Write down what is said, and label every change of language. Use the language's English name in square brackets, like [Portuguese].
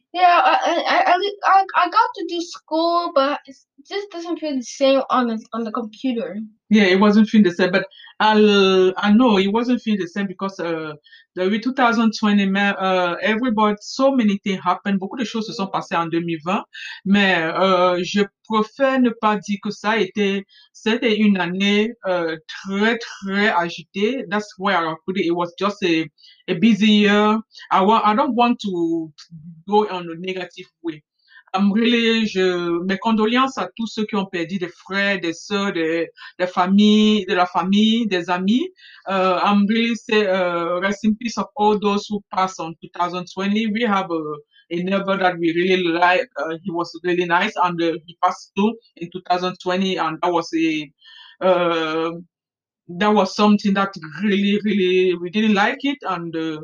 [English] Yeah, I got to do school, but it just doesn't feel the same on the computer. Yeah, it wasn't feeling the same, but I know it wasn't feeling the same because the 2020, everybody, so many things happened. [French] Beaucoup de choses se sont passées en 2020, mais je préfère ne pas dire que ça a été. C'était une année très très agitée. [English] That's where I put it. It was just a busy year. I don't want to go on a negative way. [French] Mes condoléances à tous ceux qui ont perdu des frères, des sœurs, des familles, de la famille, des amis. [English] I'm really say rest in peace of all those who passed on 2020. We have a neighbor that we really like. He was really nice, and he passed too in 2020, and that was something that really, really we didn't like it, and.